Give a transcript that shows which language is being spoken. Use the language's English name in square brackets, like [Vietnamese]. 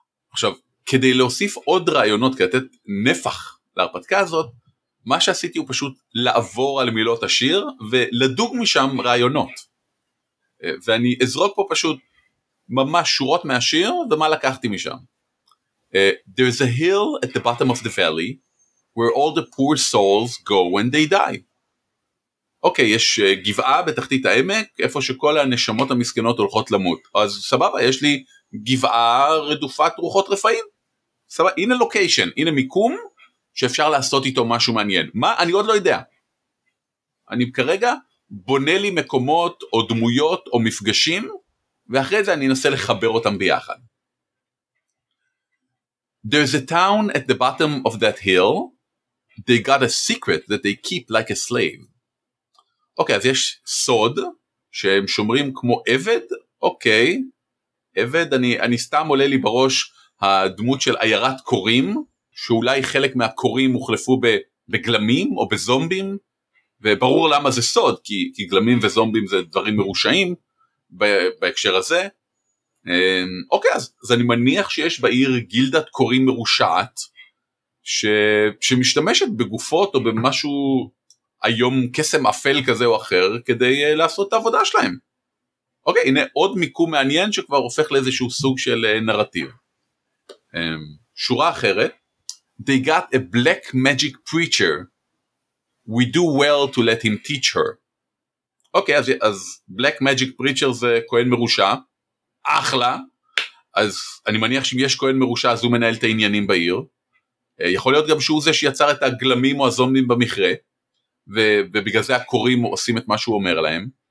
[Hebrew] עכשיו, כדי להוסיף עוד רעיונות, כדי לתת נפח להרפתקה הזאת, מה שעשיתי הוא פשוט לעבור על מילות השיר, ולדוג משם רעיונות. ואני אזרוק פה פשוט ממש שורות מהשיר, ומה לקחתי משם. [English] There's a hill at the bottom of the valley, where all the poor souls go when they die. [Hebrew] אוקיי, יש גבעה בתחתית העמק, איפה שכל הנשמות המסכנות הולכות למות. אז סבבה, יש לי גבעה רדופת רוחות רפאים. סבבה, הנה לוקיישן, הנה מיקום, שאפשר לעשות איתו משהו מעניין. מה? אני עוד לא יודע. אני כרגע בונה לי מקומות או דמויות או מפגשים, ואחרי זה אני אנסה לחבר אותם ביחד. [English] There's a town at the bottom of that hill. They got a secret that they keep like a slave. [Hebrew] אוקיי, אז יש סוד שהם שומרים כמו עבד? אוקיי, עבד, אני סתם עולה לי בראש הדמות של עיירת קורים, שאולי חלק מהקורים הוחלפו בגלמים או בזומבים, וברור למה זה סוד, כי גלמים וזומבים זה דברים מרושעים בהקשר הזה. אוקיי, אז אני מניח שיש בעיר גילדת קורים מרושעת, שמשתמשת בגופות או במשהו... היום קסם אפל כזה או אחר, כדי לעשות את העבודה שלהם. אוקיי, הנה עוד מיקום מעניין, שכבר הופך לאיזשהו סוג של נרטיב. שורה אחרת, [English] They got a black magic preacher. We do well to let him teach her. [Hebrew] אוקיי, אז [English] black magic preacher [Hebrew] זה כהן מרושע, אחלה, אז אני מניח שאם יש כהן מרושע, אז הוא מנהל את העניינים בעיר. יכול להיות גם שהוא זה שיצר את הגלמים או הזומנים במכרה, ובגלל זה הקוראים עושים את מה שהוא אומר להם.